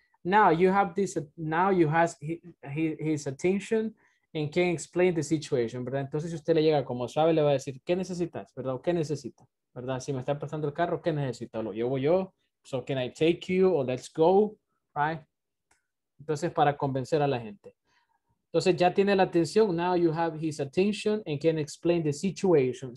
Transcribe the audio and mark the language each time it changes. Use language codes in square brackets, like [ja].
[en] Now you have this, now you have his attention and can explain the situation, [es] ¿verdad? Entonces, si usted le llega como sabe, le va a decir, ¿qué necesitas, verdad? ¿Qué necesita, verdad? Si me está prestando el carro, ¿qué necesito? ¿Lo llevo yo? [en] So, can I take you or let's go, right? [es] Entonces, para convencer a la gente. Entonces, ya tiene la atención. [en] Now you have his attention and can explain the situation.